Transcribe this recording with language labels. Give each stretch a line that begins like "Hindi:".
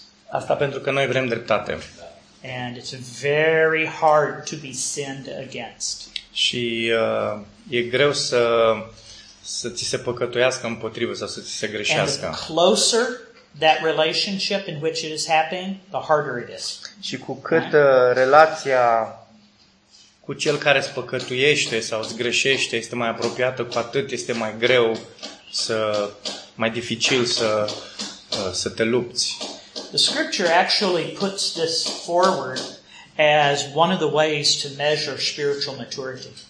Romanian: Asta pentru că noi vrem dreptate.
English: And it's very hard to be sinned against.
Romanian: Și e greu să ți se păcătuiască împotriva sau să ți se greșească.
English: And the closer that relationship in which it is happening, the harder it is.
Romanian: Și cu cât relația cu cel care îți păcătuiește sau îți greșește este mai apropiată, cu atât este mai greu să mai dificil să te lupți.
English: The scripture actually puts this forward as one of the ways to measure spiritual maturity.